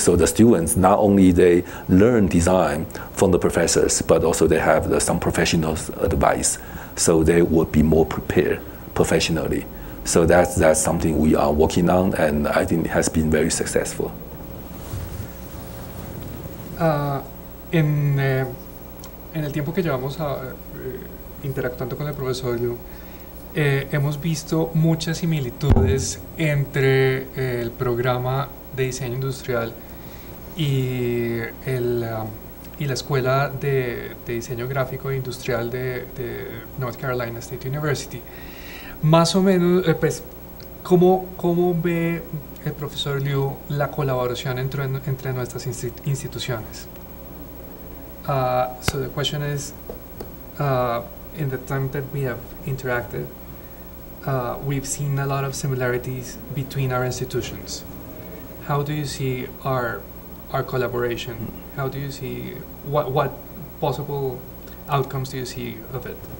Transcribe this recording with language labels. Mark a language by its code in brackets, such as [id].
[en] So the students, not only they learn design from the professors, but also they have some professional advice. So they will be more prepared professionally. So that's something we are working on, and I think it has been very successful. [es] En el tiempo que llevamos interactuando con el profesor, hemos visto muchas similitudes entre el programa de diseño industrial y y la escuela de diseño gráfico e industrial de North Carolina State University. Más o menos, pues, ¿cómo ve el profesor Liu la colaboración entre nuestras instituciones? [en] So the question is, in the time that we have interacted, we've seen a lot of similarities between our institutions. How do you see our collaboration? How do you see what possible outcomes do you see of it?